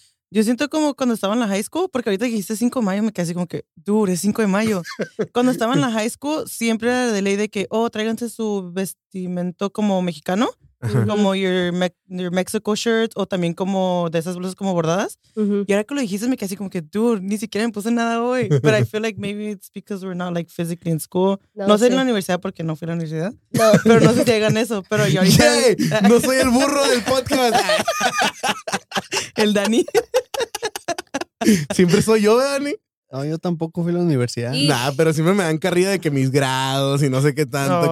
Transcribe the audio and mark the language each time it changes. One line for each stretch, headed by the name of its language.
Spanish: Yo siento como cuando estaba en la high school, porque ahorita dijiste 5 de mayo, me quedé así como que, dude, es 5 de mayo. Cuando estaba en la high school, siempre era de ley de que, oh, tráiganse su vestimento como mexicano. Ajá. Como
English: your Mexico shirt
Spanish: o también como de esas blusas como bordadas. Uh-huh. Y ahora que lo dijiste me quedé así como que, dude, ni siquiera me puse nada hoy.
English: But I feel like maybe it's because we're not like physically in school.
Spanish: No sé. En la universidad porque no fui a la universidad. No. Pero no sé si hagan eso. Pero yo ahorita... ¡Yay! ¡No soy el burro del podcast! ¿El Dani? ¿Siempre soy yo, Dani? No, yo tampoco fui a la universidad. ¿Y? Nah, pero siempre me dan carrilla de que mis grados y no sé qué tanto.